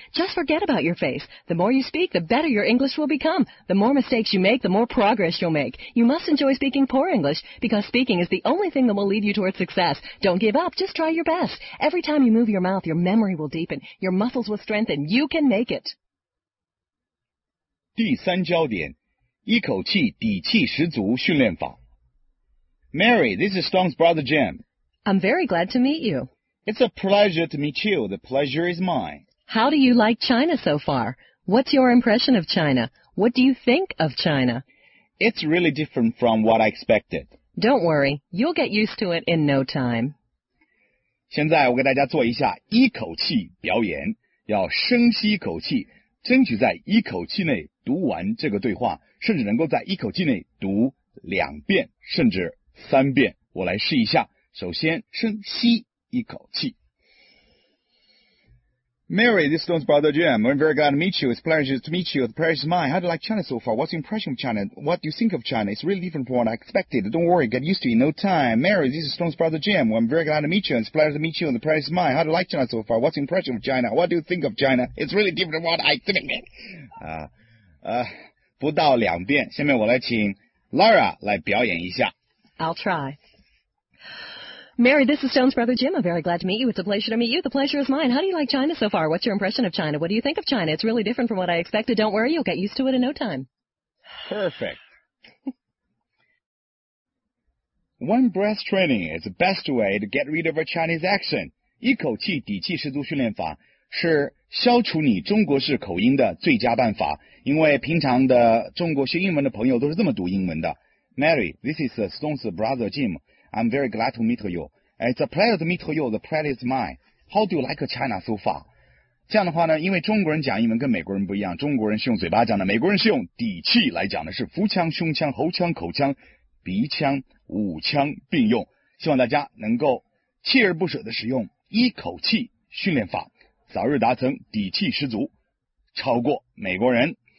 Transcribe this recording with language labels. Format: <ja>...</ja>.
<en>Just forget about your face. The more you speak, the better your English will become. The more mistakes you make, the more progress you'll make. You must enjoy speaking poor English because speaking is the only thing that will lead you towards success. Don't give up. Just try your best. Every time you move your mouth, your memory will deepen. Your muscles will strengthen. You can make it.</en> <zh>第三焦点，一口气底气十足训练法。</zh> <en>Mary, this is Stone's brother Jim. I'm very glad to meet you. It's a pleasure to meet you. The pleasure is mine. How do you like China so far? What's your impression of China? What do you think of China? It's really different from what I expected. Don't worry. You'll get used to it in no time.</en> <zh>现在我给大家做一下一口气表演，要深吸一口气，争取在一口气内读完这个对话，甚至能够在一口气内读两遍，甚至三遍。我来试一下。首先深吸一口气。</zh> <en>Mary, this is Stone's brother Jim. I'm very glad to meet you. It's a pleasure to meet you. The pleasure is mine. How do you like China so far? What's your impression of China? What do you think of China? It's really different from what I expected. Don't worry, get used to it in no time. Mary, this is Stone's brother Jim. I'm very glad to meet you. It's a pleasure to meet you. The pleasure is mine. How do you like China so far? What's your impression of China? What do you think of China? It's really different from what I expected.</en> <zh>不到两遍，下面我来请 Lara 来表演一下。</zh> <en>I'll try. Mary, this is Stone's brother Jim. I'm very glad to meet you. It's a pleasure to meet you. The pleasure is mine. How do you like China so far? What's your impression of China? What do you think of China? It's really different from what I expected. Don't worry, you'll get used to it in no time. Perfect. One breath training is the best way to get rid of a Chinese accent.</en> <zh>一口气底气十足训练法是消除你中国式口音的最佳办法。因为平常的中国学英文的朋友都是这么读英文的。</zh> <en>Mary, this is Stone's brother Jim. I'm very glad to meet you. It's a pleasure to meet you. The pleasure is mine. How do you like China so far?</en> <zh>这样的话呢，因为中国人讲英文跟美国人不一样，中国人是用嘴巴讲的，美国人是用底气来讲的，是腹腔、胸腔、喉腔、口腔、鼻腔、五腔并用。希望大家能够锲而不舍地使用一口气训练法，早日达成底气十足，超过美国人。</zh>